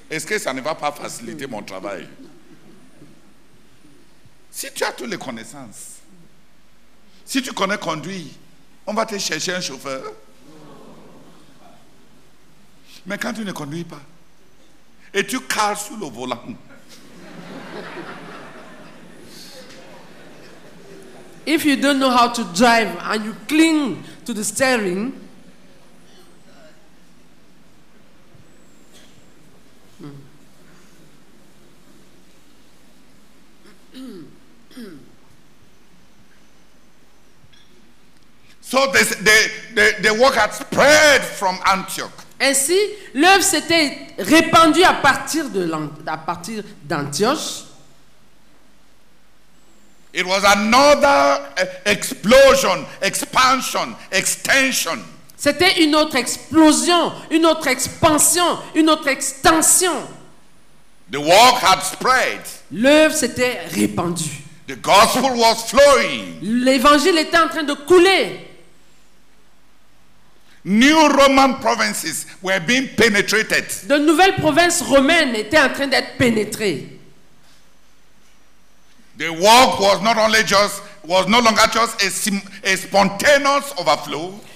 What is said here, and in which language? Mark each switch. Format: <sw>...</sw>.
<fr>Est-ce que ça ne va pas faciliter mon travail? Si tu as toutes les connaissances, Si tu connais conduire, on va te chercher un chauffeur. Mais quand tu ne conduis pas, et tu cales sous le volant.</fr> <en>If you don't know how to drive and you cling to the steering, so the work had spread from Antioch.</en> <fr>Ainsi, l'œuvre s'était répandue à partir d'Antioche.</fr> <en>It was another explosion, expansion, extension.</en> <fr>C'était une autre explosion, une autre expansion, une autre extension.</fr> <en>The work had spread.</en> <fr>L'œuvre s'était répandue.</fr> <en>The gospel was flowing.</en> <fr>L'évangile était en train de couler.</fr> <en>New Roman provinces were being penetrated.</en> <fr>De nouvelles provinces romaines étaient en train d'être pénétrées.</fr> <en>The work was no longer just a spontaneous overflow.</en>